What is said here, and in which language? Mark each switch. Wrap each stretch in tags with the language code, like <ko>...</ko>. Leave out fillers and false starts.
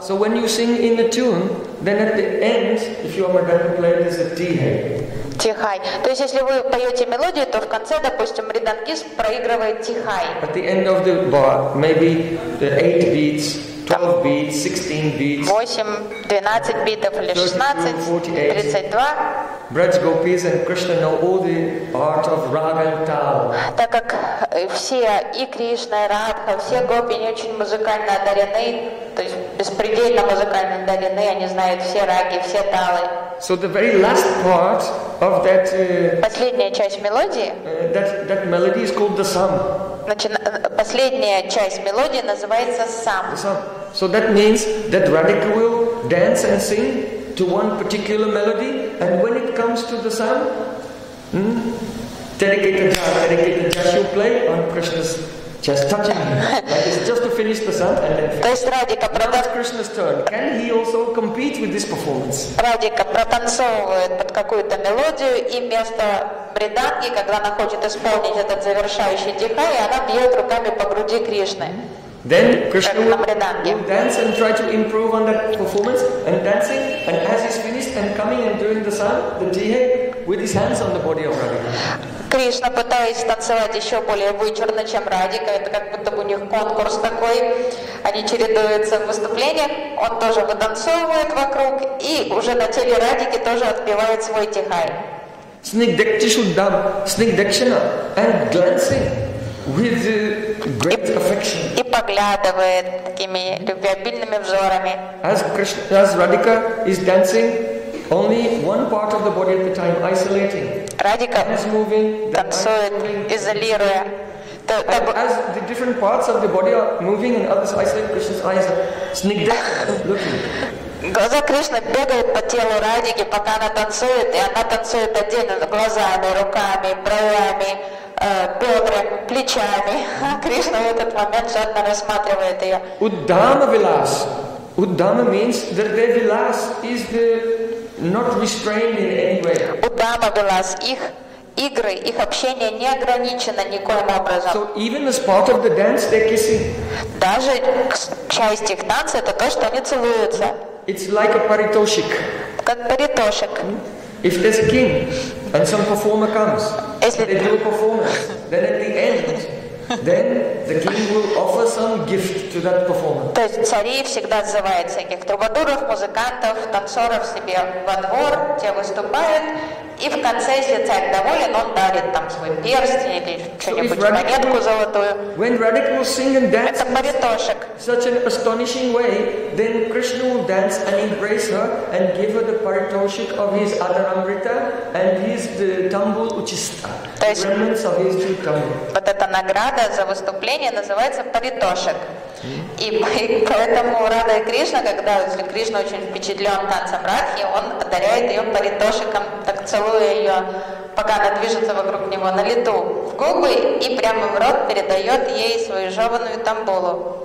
<en>So when you sing in the tune, then at the end, if you are mridangam player, there's a tihai.</en> <ru>Тихай. То есть если вы поете мелодию, то в конце, допустим, мридангист проигрывает тихай.</ru> <en>At the end of the bar, maybe the 8 beats, 12 там beats, 16 beats.</en> <ru>8, 12 битов или 16, 32.</ru> <en>Braj Gopis and Krishna know all the art of Raga and Tal.</en> <ru>Так как все и Кришна, и Радха, все гопи не очень музыкально одарены, то есть беспредельно музыкально одарены, они знают все раги, все талы.</ru> <en>So the very last part of that</en> <ru>последняя часть мелодии.</ru> <en>That melody is called the Sam.</en> <ru>Последняя часть мелодии называется Sam.</ru> <en>So that means that Radhika will dance and sing to one particular melody, and when it comes to the sam, dedicated ja, she'll play on Krishna's chest, touching him. Like it's just to finish the sam and then finish. Now it's Krishna's turn. Can he also compete with this performance?</en> <ru>Radhika протанцовывает под какую-то мелодию, и вместо бриданги, когда она хочет исполнить этот завершающий тихай, она бьет руками по груди Кришны.</ru> <en>Then Krishna will dance and try to improve on that performance and dancing, and as he's finished and coming and doing the sun, the dihe, with his hands on the body of Radhika.</en> <ru>Кришна пытается танцевать еще более вычурно, чем Радика. Это как будто бы у них конкурс такой. Они чередуются в выступлениях. Он тоже вытанцовывает вокруг. И уже на теле Радики тоже отпевает свой тихай.</ru> <sa>Снигдакшудам, снигдакшина.</sa> <en>And glancing with great affection.</en> <ru>И поглядывает такими любвеобильными взорами.</ru> <en>As Radhika is dancing, only one part of the body at the time, isolating.</en> <ru>Радика танцует, изолируя.</ru> <en>As the different parts of the body are moving and others isolate, Krishna's eyes are snigdakshana looking.</en> <ru>Глаза Кришны бегают по телу Радики, пока она танцует, и она танцует отдельно глазами, руками, бровями, бедрами, плечами. Кришна в этот момент жадно рассматривает ее.</ru> <sa>Uddama vilas.</sa> <en>Uddama means that their vilas is the not restrained in any way.</en> <ru>Удама вилас, их игры, их общение не ограничено никоим образом.</ru> <en>So even as part of the dance, they're kissing.</en> <ru>Даже часть их танца это то, что они целуются.</ru> <en>It's like a paritoshik.</en> <ru>Как паритошик.</ru> <en>If there's a king and some performer comes, если they do a performance, then at the end, then the king will offer some gift to that performer.</en> <ru>То есть цари всегда зовут всяких трубадуров, музыкантов, танцоров себе во двор, те выступают, и в конце, если царь доволен, он дарит там свой перстень или что-нибудь, монетку золотую.</ru> <en>When Radhika will sing and dance in such an astonishing way, then Krishna will dance and embrace her and give her the paritoshik of his adharamrita and his tambul uchista.</en> <ru>То есть, вот эта награда за выступление называется паритошик. И поэтому Рада и Кришна, когда Кришна очень впечатлен танцем Радхи, он одаряет ее паритошиком, так целуя ее, пока она движется вокруг него на лету, в губы и прямо в рот передает ей свою жеванную тамбулу.</ru>